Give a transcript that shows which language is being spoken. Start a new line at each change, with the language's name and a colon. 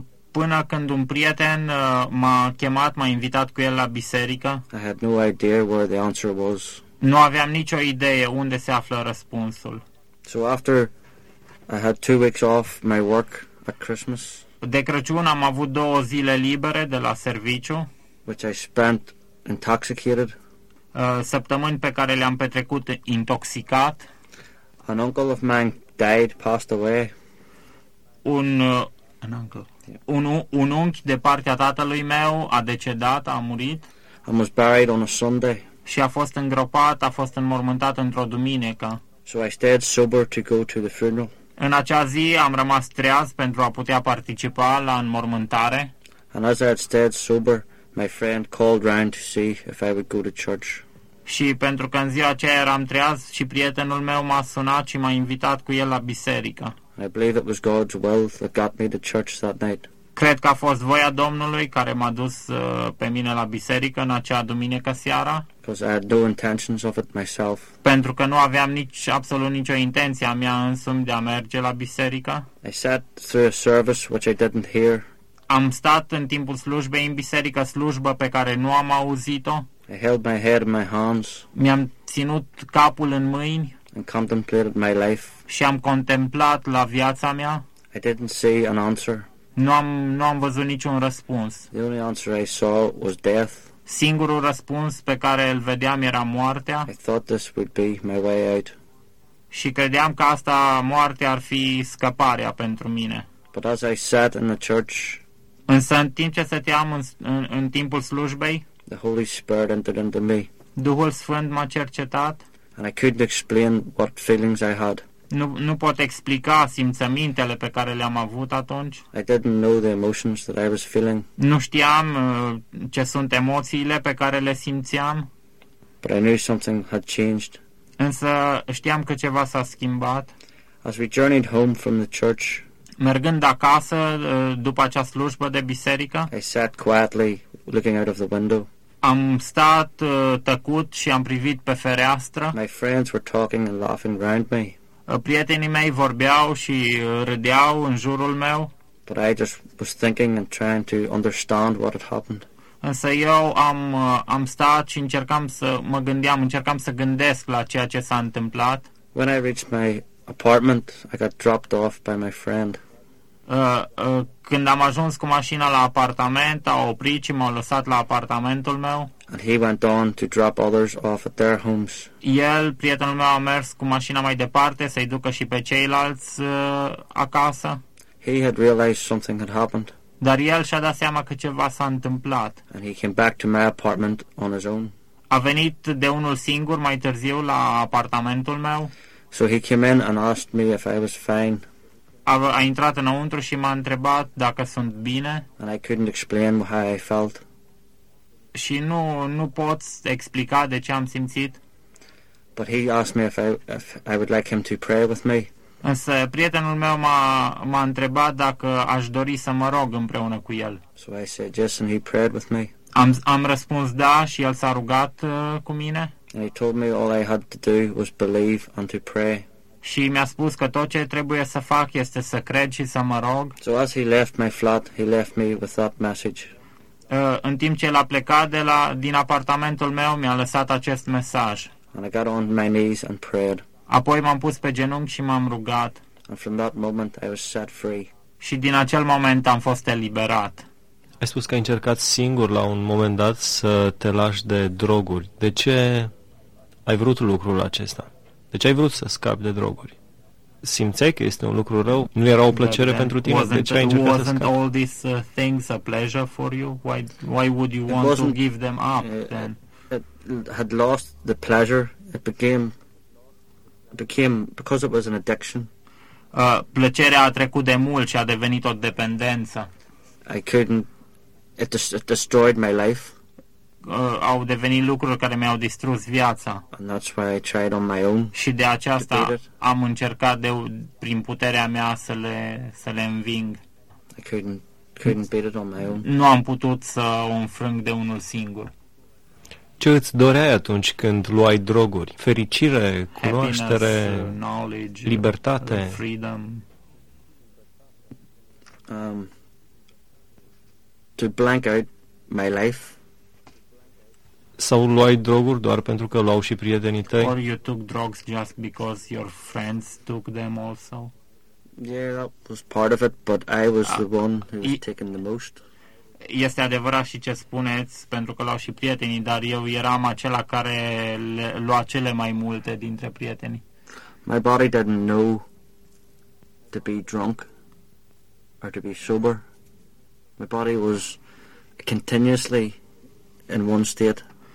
Romanian: Până când un prieten m-a chemat, m-a invitat cu el la biserică.
English: I had no idea where the answer was.
Romanian: Nu aveam nicio idee unde se află răspunsul.
English: So after I had 2 weeks off my work at Christmas.
Romanian: De Crăciun am avut 2 zile libere de la serviciu.
English: Which I spent intoxicated.
Romanian: Săptămâni pe care le-am petrecut intoxicat.
English: An uncle of mine died, passed away.
Romanian: Un unchi de partea tatălui meu a decedat, a murit.
English: And was buried on a Sunday.
Romanian: Și a fost îngropat, a fost înmormântat într-o duminică.
English: So I stayed sober to go to the funeral.
Romanian: În acea zi am rămas treaz pentru a putea participa la înmormântare.
English: And as I had stayed sober, my friend called round to see if I would go to church.
Romanian: Și pentru că în ziua aceea eram treaz și prietenul meu m-a sunat și m-a invitat cu el la biserică.
English: I believe it was God's will that got me to church that night.
Romanian: Cred că a fost voia Domnului care m-a dus pe mine la biserică în acea duminică seara.
English: Because I had no intentions of it myself.
Romanian: Pentru că nu aveam absolut nicio intenție a mea însumi de a merge la biserică.
English: I sat through a service which I didn't hear.
Romanian: Am stat în timpul slujbei în biserică, slujbă pe care nu am auzit-o.
English: I held my head in my hands.
Romanian: Mi-am ținut capul în mâini.
English: And contemplated my life.
Romanian: Și am contemplat la viața mea.
English: I didn't see an answer.
Romanian: Nu am văzut niciun răspuns.
English: The only answer I saw was death.
Romanian: Singurul răspuns pe care îl vedeam era moartea.
English: I thought this would be my way out.
Romanian: Și credeam că asta, moartea, ar fi scăparea pentru mine.
English: But as I sat in the church.
Romanian: Însă în timp ce stăteam în timpul slujbei,
English: the Holy Spirit entered into me.
Romanian: Duhul Sfânt m-a cercetat.
English: And I couldn't explain what feelings I had.
Romanian: Nu pot explica simțămintele pe care le-am avut atunci.
English: I didn't know the emotions that I was feeling.
Romanian: Nu știam ce sunt emoțiile pe care le simțeam.
English: But I knew something had changed.
Romanian: Însă știam că ceva s-a schimbat.
English: As we journeyed home from the church,
Romanian: mergând acasă după acea slujbă de biserică,
English: I sat quietly looking out of the window.
Romanian: Am stat tăcut și am privit pe fereastră.
English: My friends were talking and laughing around me.
Romanian: Prietenii mei vorbeau și râdeau în jurul meu.
English: But I just was thinking and trying to understand what had happened.
Romanian: Însă eu am stat și încercam să gândesc la ceea ce s-a întâmplat.
English: When I reached my apartment, I got dropped off by my friend.
Romanian: Când am ajuns cu mașina la apartament, a oprit și m-a lăsat la apartamentul meu.
English: And he went on to drop others off at their homes.
Romanian: El, prietenul meu, a mers cu mașina mai departe să-i ducă și pe ceilalți acasă.
English: He had realized something had happened.
Romanian: Dar el și-a dat seama că ceva s-a întâmplat.
English: And he came back to my apartment on his own.
Romanian: A venit de unul singur mai târziu la apartamentul meu.
English: So he came in and asked me if I was fine.
Romanian: A intrat înăuntru și m-a întrebat dacă sunt bine.
English: And I couldn't explain how I felt.
Romanian: Și nu pot explica de ce am simțit.
English: But he asked me if I would like him to pray with me.
Romanian: Însă prietenul meu m-a întrebat dacă aș dori să mă rog împreună cu el.
English: So I said yes, and he prayed with me.
Romanian: Am răspuns da și el s-a rugat cu mine.
English: And he told me all I had to do was believe and to pray.
Romanian: Și mi-a spus că tot ce trebuie să fac este să cred și să mă rog.
English: So as he left my flat, he left me with that message.
Romanian: În timp ce l-a plecat din apartamentul meu, mi-a lăsat acest mesaj.
English: And I got on my knees and prayed.
Romanian: Apoi m-am pus pe genunchi și m-am rugat.
English: And from that moment I was set free.
Romanian: Și din acel moment am fost eliberat. Ai spus că ai încercat singur la un moment dat să te lași de droguri. De ce ai vrut lucrul acesta? De ce ai vrut să scapi de droguri? Simțeai că este un lucru rău? Nu era o plăcere pentru tine? De ce ai încercat să scapi?
English: All these things a pleasure for you? Why would you want to give them up then? It had lost the pleasure. It became because it was an addiction.
Romanian: Plăcerea a trecut de mult și a devenit o dependență.
English: I couldn't. It destroyed my life.
Romanian: Au devenit lucruri care mi-au distrus viața.
English: And that's why I tried on my own.
Romanian: Și de aceasta am încercat prin puterea mea să le înving.
English: I couldn't beat it on my own.
Romanian: Nu am putut să o înfrâng de unul singur. Ce îți doreai atunci când luai droguri? Fericire, cunoaștere, libertate,
English: freedom. To blank out my life.
Romanian: Sau luai droguri doar pentru că luau și prietenii tăi?
English: Or you took drugs just because your friends took them also? Yeah, that was part of it, but I was the one who was taking the most.
Romanian: Este adevărat și ce spuneți, pentru că luau și prietenii, dar eu eram acela care lua cele mai multe dintre prietenii.
English: My body didn't know to be drunk or to be sober. My body was continuously in one state.